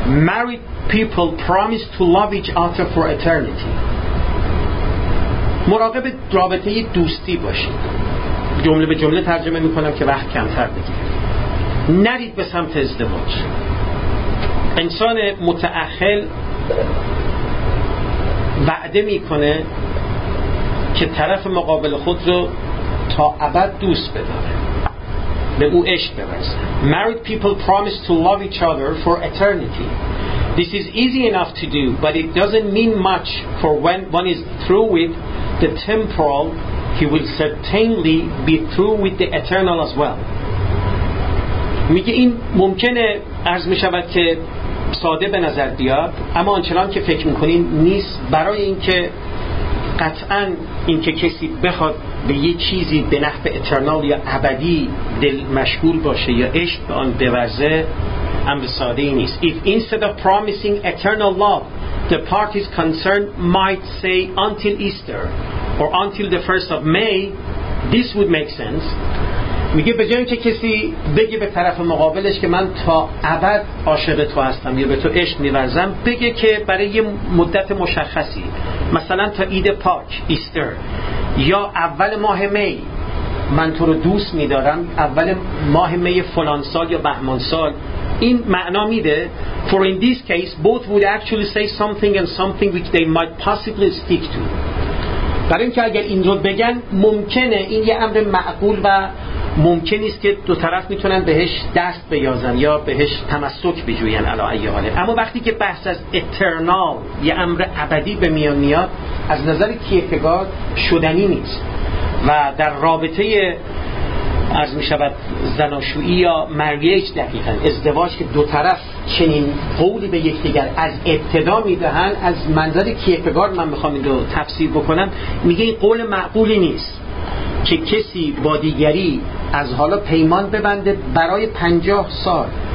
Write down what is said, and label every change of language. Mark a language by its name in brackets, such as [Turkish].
[English] Married people promise to love each other for eternity. [Persian] مراقب رابطه دوستی باشید. جمله به جمله ترجمه میکنم که وقت کمتر بگیره. نرید به سمت ازدواج. انسان متأهل وعده میکنه که طرف مقابل خود رو تا ابد دوست بداره، به او عشق ببرزه. [English] Married people promise to love each other for eternity. This is easy enough to do, but it doesn't mean much for when one is through with the temporal, he will certainly be through with the eternal as well. [Persian] میگه این ممکنه عرض میشود که ساده به نظر بیاد، اما آنچنان که فکر میکنین نیست. برای اینکه قطعا اینکه کسی بخواد به یه چیزی به نحو اترنال یا ابدی دل مشغول باشه یا عشق به آن بورزه هم به ساده ای نیست. [English] If instead of promising eternal love the parties concerned might say until Easter or until the 1st of May, this would make sense. [Persian] میگه به جای اینکه کسی بگه به طرف مقابلش که من تا ابد عاشق تو هستم یا به تو عشق می‌ورزم، بگه که برای یه مدت مشخصی مثلا تا عید پاک ایستر یا اول ماه می من تو رو دوست می‌دارم، اول ماه می فلان سال یا بهمان سال. این معنا میده [English] for in this case both would actually say something and something which they might possibly stick to. [Persian] برای اینکه اگر این رو بگن ممکنه این یه امر معقول و ممکنی است که دو طرف میتونن بهش دست بیازن یا بهش تمسک بجوین علی ای حاله. اما وقتی که بحث از اترنال یه امر ابدی به میان میاد، از نظر کیکگارد شدنی نیست و در رابطه عرض میشود زناشویی یا مریج دقیقا ازدواج که دو طرف چنین قولی به یکدیگر از ابتدا میدهن، از منظر کیکگارد من میخوام این رو تفسیر بکنم، میگه این قول معقولی نیست که کسی با دیگری از حالا پیمان ببنده برای 50 سال،